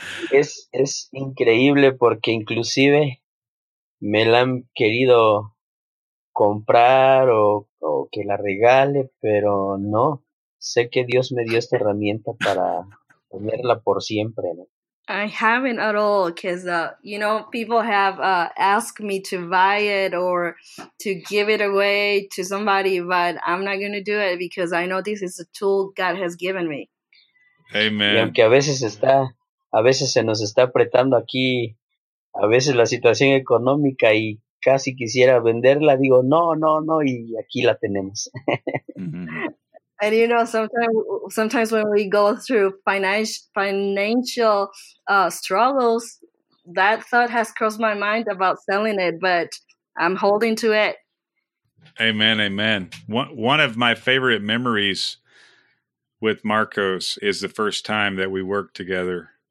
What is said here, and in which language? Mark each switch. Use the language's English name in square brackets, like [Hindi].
[Spanish] Es increíble, porque inclusive me la han querido comprar o que la regale, pero no. Sé que Dios me dio esta herramienta para tenerla por siempre, ¿no? [English] I haven't at all, because, you know, people have asked me to buy it or to give it away to somebody, but I'm not going to do it because I know this is a tool God has given me. Amen. [Spanish] Y aunque a veces se nos está apretando aquí, a veces la situación económica y casi quisiera venderla, digo, no, y aquí la tenemos. [English] And you know, sometimes when we go through financial struggles, that thought has crossed my mind about selling it, but I'm holding to it. Amen, amen. One of my favorite memories with Marcos is the first time that we worked together.